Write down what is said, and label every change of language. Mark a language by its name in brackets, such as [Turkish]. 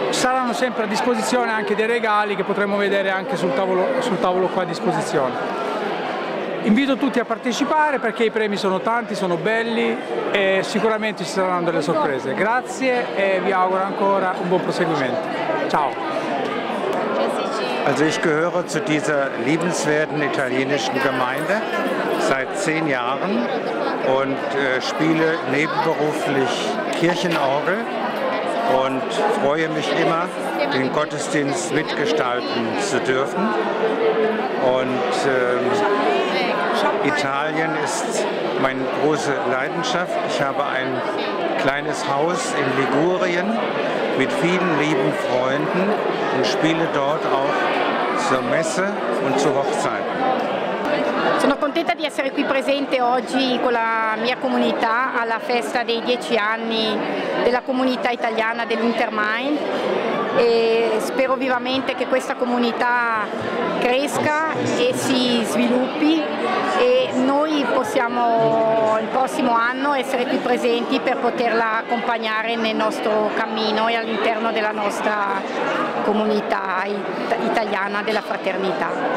[Italian] Saranno sempre a disposizione anche dei regali che potremo vedere anche sul tavolo qua a disposizione. Invito tutti a partecipare perché i premi sono tanti, sono belli e sicuramente ci saranno delle sorprese. Grazie e vi auguro ancora un buon proseguimento. Ciao! [German] Also ich gehöre zu dieser liebenswerten italienischen Gemeinde seit 10 Jahren und spiele nebenberuflich Kirchenorgel und freue mich immer, den Gottesdienst mitgestalten zu dürfen. Und Italien ist meine große Leidenschaft. Ich habe ein kleines Haus in Ligurien mit vielen lieben Freunden und spiele dort auch zur Messe und zur Hochzeit. [Italian] Sono contenta di essere qui presente oggi con la mia comunità alla festa dei 10 anni della comunità italiana dell'Untermain e spero vivamente che questa comunità cresca e si sviluppi e noi possiamo il prossimo anno essere qui presenti per poterla accompagnare nel nostro cammino e all'interno della nostra comunità italiana della fraternità.